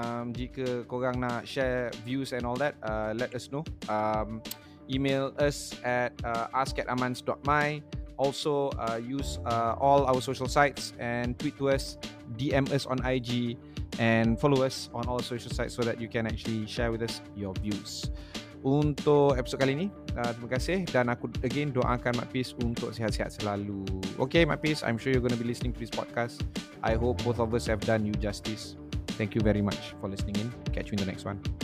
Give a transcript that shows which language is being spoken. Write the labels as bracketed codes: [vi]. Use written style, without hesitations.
[ms] Jika korang nak [en] share views and all that, let us know. Email us at ask@amans.my. Also use all our social sites and tweet to us, DM us on IG and follow us on all social sites so that you can actually share with us your views. [ms] Untuk episod kali ini, terima kasih. Dan aku again doakan Mat Peace untuk sihat-sihat selalu. [en] Okay Mat Peace, I'm sure you're going to be listening to this podcast. I hope both of us have done you justice. Thank you very much for listening in. Catch you in the next one.